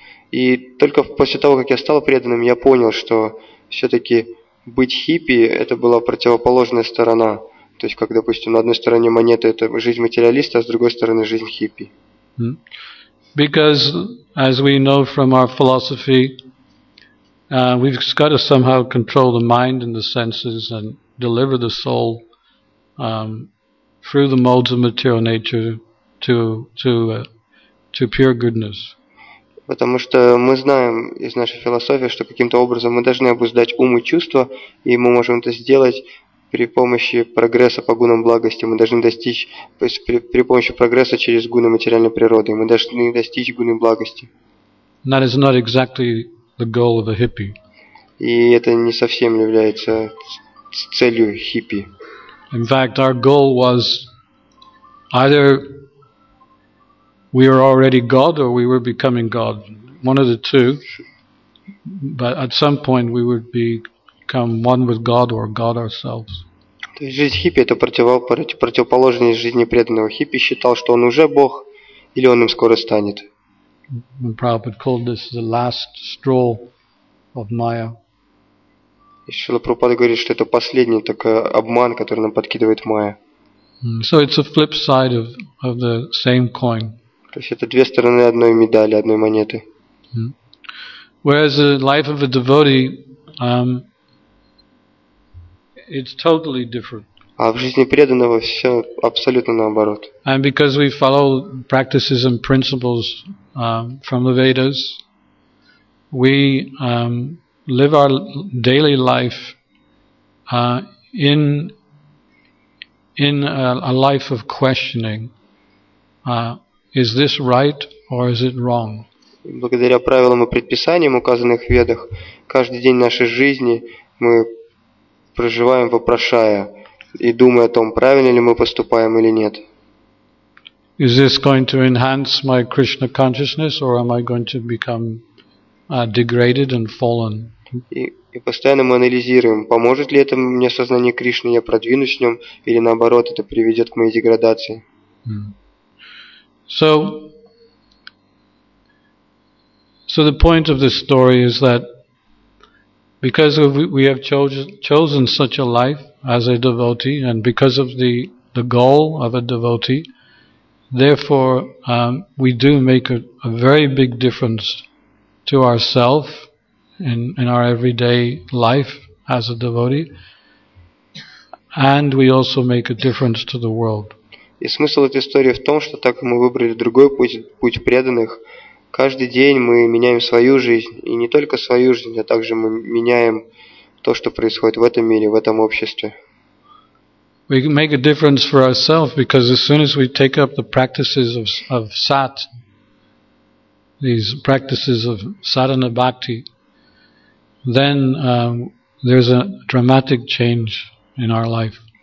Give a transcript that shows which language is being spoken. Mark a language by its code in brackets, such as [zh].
[ru] И только после того, как я стал преданным, я понял, что все-таки быть хиппи – это была противоположная сторона. То есть, как, допустим, на одной стороне монеты – это жизнь материалиста, а с другой стороны – жизнь хиппи. [en] Because, as we know from our philosophy, we've got to somehow control the mind and the senses and deliver the soul through the modes of material nature to pure goodness. [ru] Потому что мы знаем из нашей философии, что каким-то образом мы должны обуздать ум и чувства, и мы можем это сделать при помощи прогресса по гунам благости. Мы должны достичь, то есть при помощи прогресса через гуны материальной природы, мы должны достичь гуны благости. [en] That is not exactly the goal of a hippie. [ru] И это не совсем является целью хиппи. [en] In fact, our goal was either we were already God or we were becoming God. One of the two. But at some point we would be come one with God or God ourselves. [ru] То есть жизнь хиппи – это противоположность жизни преданного. Хиппи считал, что он уже Бог, или он им скоро станет. [en] And Prabhupada called this the last straw of Maya. [ru] И Шрила Прабхупада говорит, что это последний такой обман, который нам подкидывает Майя. [en] So it's a flip side of the same coin. [ru] То есть это две стороны одной медали, одной монеты. [en] Whereas the life of a devotee it's totally different. [ru] А в жизни преданного все абсолютно наоборот. [en] And because we follow practices and principles from the Vedas, we live our daily life in a life of questioning. Is this right or is it wrong? [ru] Благодаря правилам и предписаниям, указанных в Ведах, каждый день нашей жизни мы проживаем, вопрошая и думая о том, правильно ли мы поступаем или нет. [en] Is this going to enhance my Krishna consciousness or am I going to become degraded and fallen? [ru] И постоянно мы анализируем, поможет ли это мне сознание Кришны, я продвинусь в нем, или наоборот, это приведет к моей деградации. [en] So the point of this story is that because we have chosen such a life as a devotee, and because of the goal of a devotee, therefore we do make a very big difference to ourselves in our everyday life as a devotee, and we also make a difference to the world. [ru] И смысл этой истории в том, что так как мы выбрали другой путь преданных, каждый день мы меняем свою жизнь, и не только свою жизнь, а также мы меняем то, что происходит в этом мире, в этом обществе. [en] we make a difference for ourselves, because as soon as we take up the practices of sat, these practices of sadhana bhakti, then there's a dramatic change in our life.